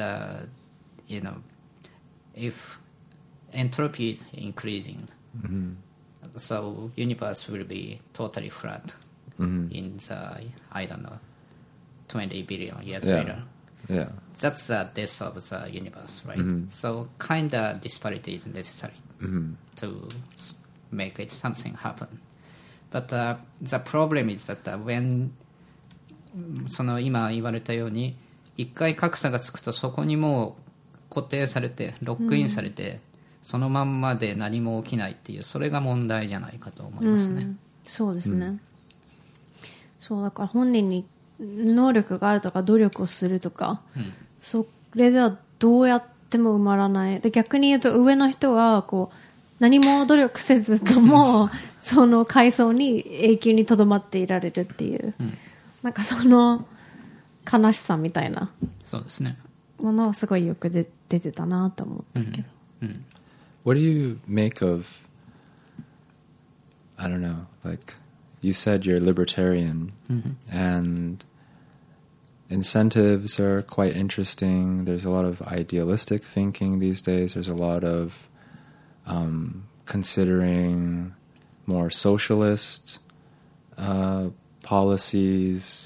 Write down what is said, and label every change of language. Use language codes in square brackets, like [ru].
[en] and you know, if entropy is increasing、 mm-hmm. so universe will be totally flat、 mm-hmm. in the, I don't know, 20 billion years、yeah. later、 yeah. that's the death of the universe, right?、 Mm-hmm. So kind of disparity is necessary、 mm-hmm. to make it something happen, but、the problem is that、when [ja] その今言われたように一回格差がつくとそこにもう固定されてロックインされて、うん、そのまんまで何も起きないっていう、それが問題じゃないかと思いますね、うん、そうですね、うん、そうだから本人に能力があるとか努力をするとか、うん、それではどうやっても埋まらない、で逆に言うと上の人はこう何も努力せずともその階層に永久にとどまっていられるっていう、うん、なんかその悲しさみたいな、そうですね、ものはすごいよく出てたなと思ったけど、うんうん、 [en] What do you make of I don't know, like you said you're libertarian、 mm-hmm. and incentives are quite interesting, there's a lot of idealistic thinking these days, there's a lot of、considering more socialist、policies、